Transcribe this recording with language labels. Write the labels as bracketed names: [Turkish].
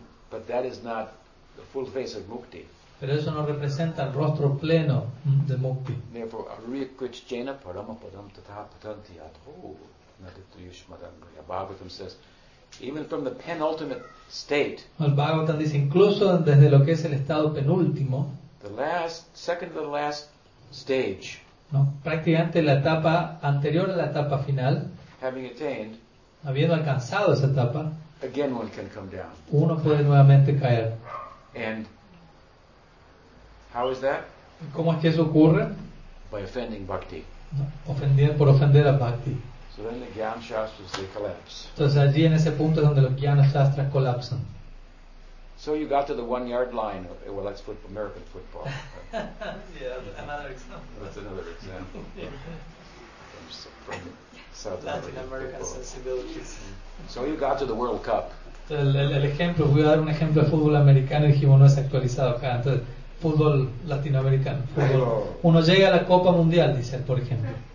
[English] But that is not the full face of Mukti. [Spanish] Pero eso no representa el rostro pleno de Mukti. [English] Therefore, [Sanskrit] Ariyakrit Jena Paramapadam Tatha Patantiyat Ho Naditriyushmadam Yabhavitam [English] says, even from the penultimate state, [Spanish] el Bhagavatam dice incluso desde lo que es el estado penúltimo, [English] the last, second to the last stage, [Spanish] no, prácticamente la etapa anterior a la etapa final, [English] having attained, [Spanish] habiendo alcanzado esa etapa, [English] again one can come down. [Spanish] Uno puede nuevamente caer. [English] And how is that? [Spanish] ¿Cómo es que eso ocurre? [English] By offending Bhakti. [Spanish] Por ofender a Bhakti. [English] So then the Gyan Shastras, they collapse. [Spanish] Entonces allí en ese punto es donde los Gyan Shastras colapsan. [English] So you got to the 1 yard line. Well, that's football, American football. Yeah, another example. That's another example. From South Latin American football. Sensibilities. So you got to the World Cup. [Spanish] Entonces, el ejemplo, voy a dar un ejemplo de fútbol americano y dijimos no es actualizado acá. Entonces, fútbol latinoamericano. Fútbol. Uno llega a la Copa Mundial, dice, por ejemplo.